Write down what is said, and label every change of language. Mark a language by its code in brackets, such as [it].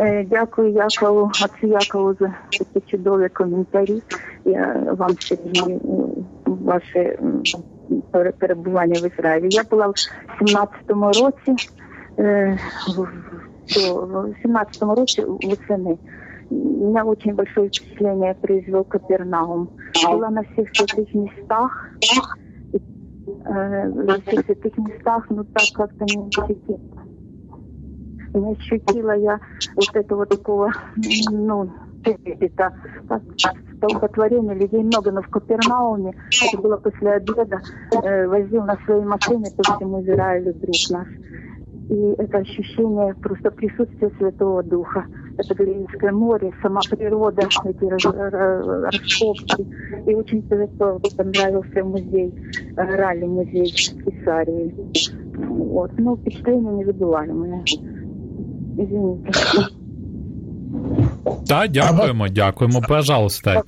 [uk] Дякую Якову, отцу Якову, за такі чудові коментарі. Я вам ще знаю ваше перебування в Ізраїлі. Я була в 17-му році, в 17-му році восени. [ru] меня очень большое впечатление произвел Капернаум. Была на всех святых местах. На всех святых местах, но так как-то не ощутила. Не ощутила я вот этого такого, ну, это столпотворение, людей много, но в Капернауме, это было после обеда, возил на своей машине по всему Израилю друг наш. И это ощущение просто присутствия Святого Духа. Это Галилейское море, сама природа, эти раскопки. И очень понравился музей, ралли-музей в Кесарии. Вот. Ну, впечатление невыдуваемое. Извините. [uk] Да, дякуємо, дякуємо, пожалуйста.